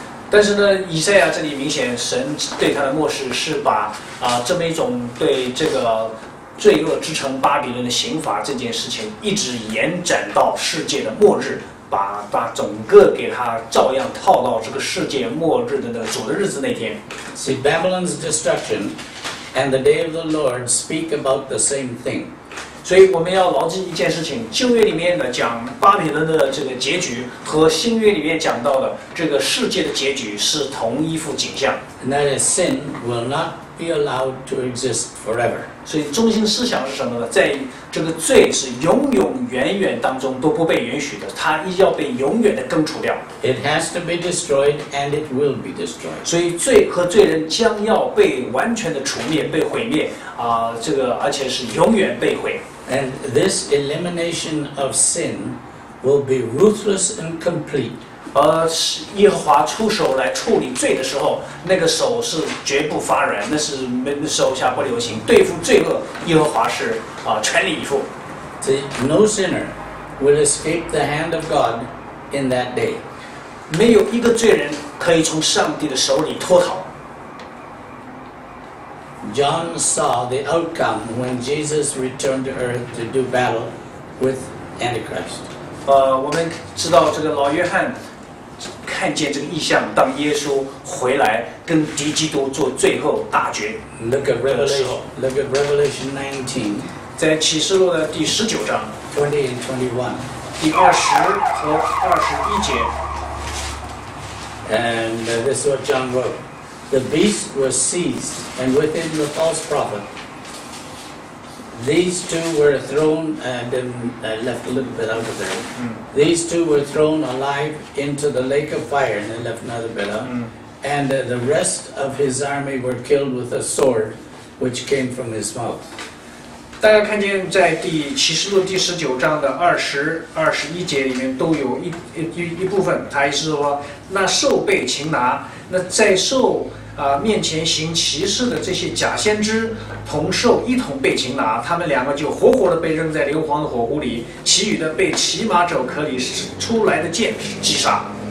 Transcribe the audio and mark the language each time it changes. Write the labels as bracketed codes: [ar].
[zh] 但是呢，以赛亚这里明显神对他的漠视是把这么一种对这个罪恶之城巴比伦的刑罚这件事情一直延展到世界的末日，把整个给他照样套到这个世界末日的那主的日子那天。 [en] See Babylon's destruction. And the day of the Lord speak about the same thing. [zh] 所以我们要牢记一件事情，旧约里面的讲巴比伦的这个结局和新约里面讲到的这个世界的结局是同一幅景象。 [en] And that is sin will not be allowed to exist forever. [zh] 所以中心思想是什么呢？在这个罪是永永远远当中都不被允许的，它要被永远的根除掉。 [en] It has to be destroyed and it will be destroyed. [zh] 所以罪和罪人将要被完全的除灭，被毁灭这个而且是永远被毁。 [en] And this elimination of sin will be ruthless and complete. [zh] 而耶和华出手来处理罪的时候，那个手是绝不发软，那是手下不留情。对付罪恶，耶和华是全力以赴。 [en] The, no sinner will escape the hand of God in that day. [zh] 没有一个罪人可以从上帝的手里脱逃。 [en] John saw the outcome when Jesus returned to earth to do battle with Antichrist. [zh] 我们知道这个老约翰。看见这个异象，当耶稣回来跟敌基督做最后大决的时候 [en] look at Revelation 19, [zh] 在启示录的第十九章 [en] 20 and 21, [zh] 第二十和二十一节 [en] And this is what John wrote. The beast was seized, and with him the false prophet. These two were thrown and I left a little bit out of there. These two were thrown alive into the lake of fire and I left another bit out. And the rest of his army were killed with a sword which came from his mouth. [zh] 大家看见在第启示录第十九章的二十二十一节里面都有一部分，他意思是说那兽被擒拿，那在兽面前行歧视的这些假先知同兽一同被擒拿，他们两个就活活的被扔在硫磺的火湖里，其余的被骑马走壳里出来的剑击杀。